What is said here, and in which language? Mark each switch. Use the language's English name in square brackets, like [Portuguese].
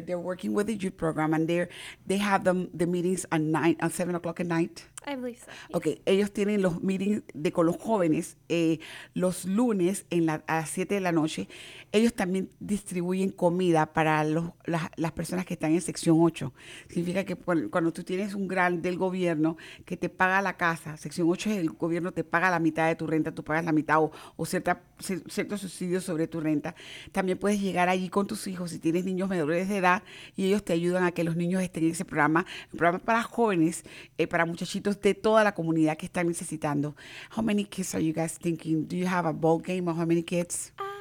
[English] They're working with the youth program, and they have the meetings at 7 o'clock at night. I believe so. Yes. [Spanish] Okay, ellos tienen los meetings con los jóvenes los lunes a las 7 de la noche. Ellos también distribuyen comida para las personas que están en sección 8. Significa que cuando tú tienes un grant del gobierno que te paga la casa, sección 8 es el gobierno te paga la mitad de tu renta, tú pagas la mitad o ciertos subsidios sobre tu renta. También puedes llegar allí con tus hijos si tienes niños menores de edad y ellos te ayudan a que los niños estén en ese programa, un programa para jóvenes, para muchachitos de toda la comunidad que están necesitando. [English] How many kids are you guys thinking? Do you have a ball game of how many kids?